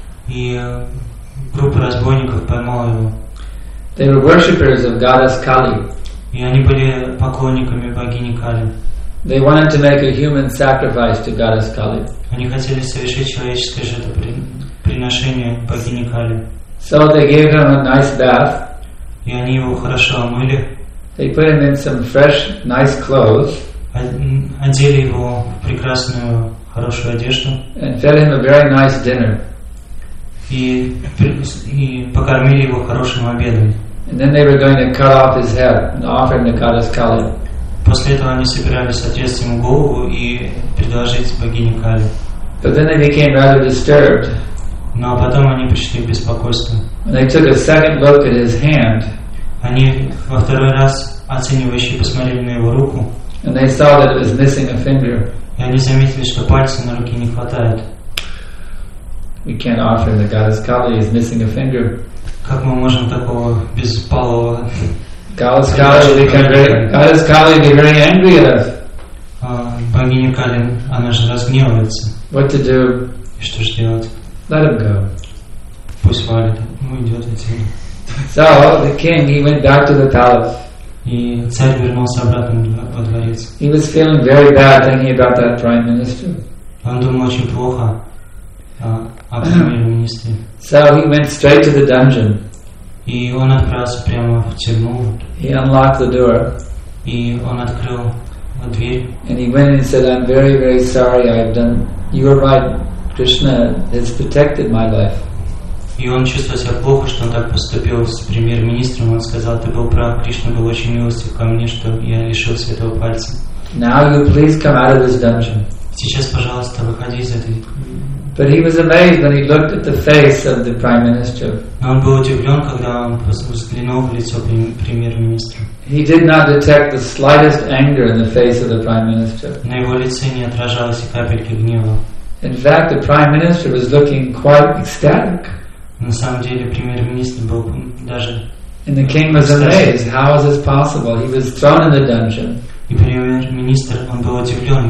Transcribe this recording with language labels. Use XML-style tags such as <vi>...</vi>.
<ru>И группа разбойников поймала его.</ru> <en>They were worshippers of goddess Kali.</en> <ru>И они были поклонниками богини Кали.</ru> <en>They wanted to make a human sacrifice to goddess Kali.</en> <ru>Они хотели совершить человеческое жертвоприношение богине Кали.</ru> <en>So they gave him a nice bath.</en> <ru>И они его хорошо омыли.</ru> <en>They put him in some fresh, nice clothes.</en> <ru>Одели его в прекрасную, хорошую одежду.</ru> <en>And fed him a very nice dinner.</en> <ru>И покормили его хорошим обедом.</ru> <en>And then they were going to cut off his head and offer him to goddess Kali.</en> <ru>После этого они собирались отрезать ему голову и предложить богине Кали.</ru> <en>But then they became rather disturbed.</en> <ru>Но потом они пришли в беспокойство.</ru> <en>And they took a second look at his hand.</en> <ru>Они во второй раз оценивающе посмотрели на его руку.</ru> <en>And they saw that it was missing a finger.</en> <ru>И они заметили, что пальца на руке не хватает.</ru> <en>We can't offer him the goddess Kali, he's missing a finger.</en> <ru>Как мы можем такого беспалого?</ru> <en>Goddess Kali be very angry at us.</en> <ru>Богиня Кали, она же разгневается.</ru> <en>What to do?</en> <ru>И что же делать?</ru> <en>Let him go.</en> <ru>Пусть валит. Уйдет от тебя.</ru> <en>So the king, he went back to the palace.</en> <ru>И царь вернулся обратно во дворец.</ru> <en>He was feeling very bad thinking about that prime minister.</en> <ru>Он думал очень плохо о премьер-министре.</ru> <en>So he went straight to the dungeon.</en> <ru>И он отправился прямо в тюрьму.</ru> <en>He unlocked the door.</en> <ru>И он открыл дверь.</ru> <en>And he went and said, I'm very, very sorry, I've done, you were right, Krishna has protected my life.</en> <ru>И он чувствовал себя плохо, что он так поступил с премьер-министром. Он сказал, ты был прав, Кришна был очень милостив ко мне, что я лишился этого пальца.</ru> <en>Now you please come out of this dungeon.</en> <ru>Сейчас, пожалуйста, выходи из этой.</ru> <en>But he was amazed when he looked at the face of the prime minister.</en> <ru>Но он был удивлен, когда он взглянул в лицо премьер-министра.</ru> <en>He did not detect the slightest anger in the face of the prime minister.</en> <ru>На его лице не отражалось и капельки гнева.</ru> <en>In fact, the prime minister was looking quite ecstatic.</en> <ru>На самом деле премьер-министр был даже.</ru> <en>And the king was amazed. How is this possible? He was thrown in the dungeon.</en> <ru>И премьер-министр, он был удивлен.</ru>